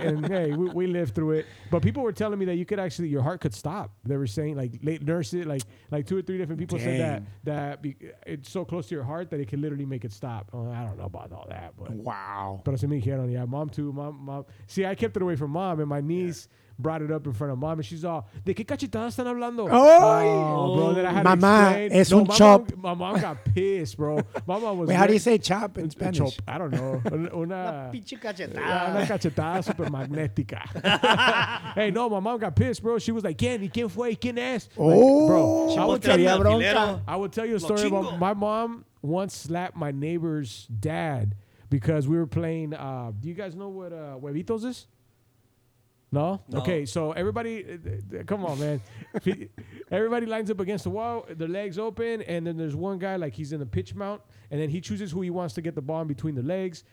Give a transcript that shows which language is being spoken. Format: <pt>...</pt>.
<en>And hey, we lived through it. But people were telling me that you could actually, your heart could stop. They were saying, like, late nurse it, like two or three different people said that it's so close to your heart that it can literally make it stop. I don't know about all that, but. Wow. But I said, me, Karen, yeah, mom too. Mom. See, I kept it away from mom and my niece. Yeah. Brought it up in front of mom and she's all,</en> <es>¿de qué cachetadas están hablando? Mamá, es un chop.</es> <en>My mom got pissed, bro. My mom was wait, how do you say chop in Spanish? Chop, I don't know.</en> <es>Una pinche cachetada. Una cachetada super magnética.</es> <en>Hey, no, my mom got pissed, bro. She was like,</en> <es>¿quién? ¿Y quién fue? ¿Y quién es?</es> <en>Oh, like, bro. I will tell you a story about my mom once slapped my neighbor's dad because we were playing, do you guys know what Huevitos is? No? No? Okay, so everybody, come on, man. Everybody lines up against the wall, their legs open, and then there's one guy, like, he's in the pitch mount, and then he chooses who he wants to get the ball in between the legs.</en>